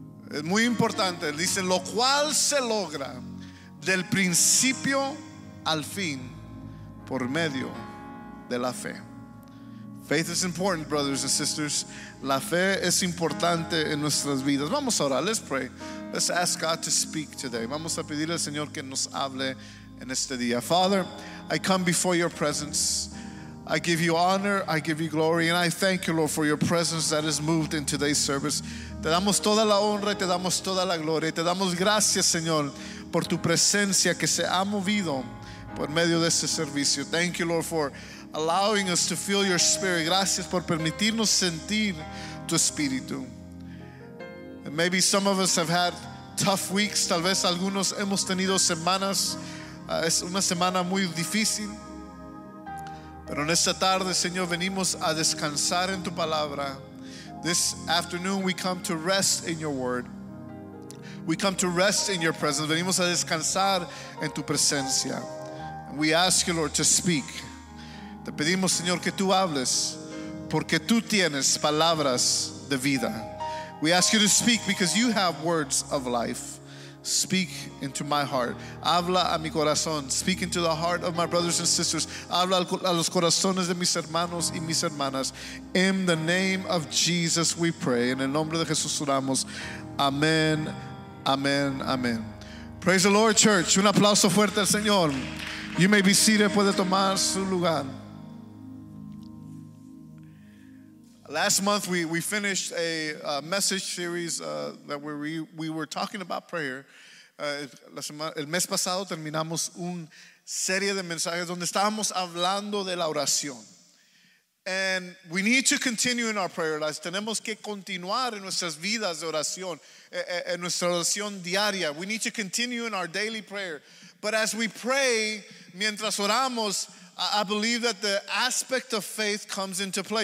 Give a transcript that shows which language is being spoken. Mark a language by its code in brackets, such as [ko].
[es] Es muy importante, dice, lo cual se logra del principio al fin por medio de la fe. [en] Faith is important, brothers and sisters. [es] La fe es importante en nuestras vidas. Vamos a orar. [en] Let's pray. Let's ask God to speak today. [es] Vamos a pedir al Señor que nos hable en este día. [en] Father, I come before your presence. I give you honor. I give you glory. And I thank you, Lord, for your presence that is moved in today's service. [es] Te damos toda la honra y te damos toda la gloria. Y te damos gracias, Señor, por tu presencia que se ha movido por medio de este servicio. [en] Thank you, Lord, for allowing us to feel your spirit. [es] Gracias por permitirnos sentir tu espíritu. [en] And maybe some of us have had tough weeks. [es] Tal vez algunos hemos tenido semanas. Es una semana muy difícil. Pero en esta tarde, Señor, venimos a descansar en tu palabra. [en] This afternoon we come to rest in your word. We come to rest in your presence. [es] Venimos a descansar en tu presencia. [en] And we ask you, Lord, to speak. [es] Te pedimos, Señor, que tú hables, porque tú tienes palabras de vida. [en] We ask you to speak because you have words of life. Speak into my heart. [es] Habla a mi corazón. [en] Speak into the heart of my brothers and sisters. [es] Habla a los corazones de mis hermanos y mis hermanas. [en] In the name of Jesus we pray. [es] En el nombre de Jesús oramos. [en] Amen, amen, amen. Praise the Lord, church. [es] Un aplauso fuerte al Señor. [en] You may be seated. [es] Puede tomar su lugar. [en] Last month we finished a message series that we were talking about prayer. [es] El mes pasado terminamos una serie de mensajes donde estábamos hablando de la oración. [en] And we need to continue in our prayer lives. [es] Tenemos que continuar en nuestras vidas de oración, en nuestra oración diaria. [en] We need to continue in our daily prayer. But as we pray, [es] mientras oramos, [en] I believe that the aspect of faith comes into play.